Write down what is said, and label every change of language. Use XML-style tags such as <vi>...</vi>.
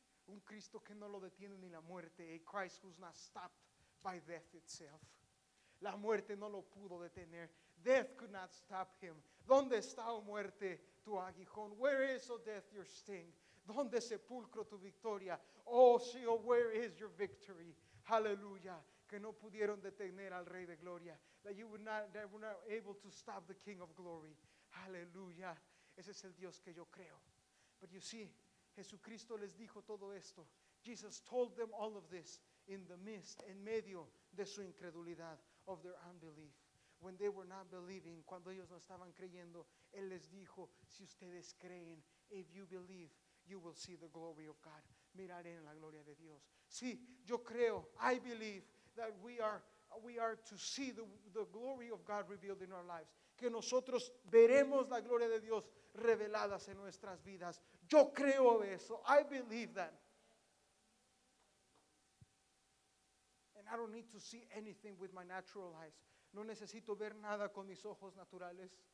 <es>Un Cristo que no lo detiene ni la muerte.</es> <en>A Christ who's not stopped by death itself.</en> <es>La muerte no lo pudo detener.</es> <en>Death could not stop him.</en> <es>¿Dónde está, oh muerte, tu aguijón?</es> <en>Where is, oh death, your sting?</en> <es>¿Dónde, sepulcro, tu victoria? Oh, sí,</es> <en>oh, where is your victory?</en> <es>Hallelujah. Que no pudieron detener al Rey de Gloria.</es> <en>That you would not, they were not able to stop the King of Glory. Hallelujah.</en> <es>Ese es el Dios que yo creo.</es> <en>But you see,</en> <es>Jesucristo les dijo todo esto.</es> <en>Jesus told them all of this in the midst,</en> <es>en medio de su incredulidad,</es> <en>of their unbelief. When they were not believing,</en> <es>cuando ellos no estaban creyendo, Él les dijo, si ustedes creen,</es> <en>if you believe, you will see the glory of God.</en> <es>Miraré en la gloria de Dios. Sí, yo creo,</es> <en>I believe, that we are to see the glory of God revealed in our lives.</en> <es>Que nosotros veremos la gloria de Dios reveladas en nuestras vidas. Yo creo eso.</es> <en>I believe that. And I don't need to see anything with my natural eyes.</en> <es>No necesito ver nada con mis ojos naturales.</es>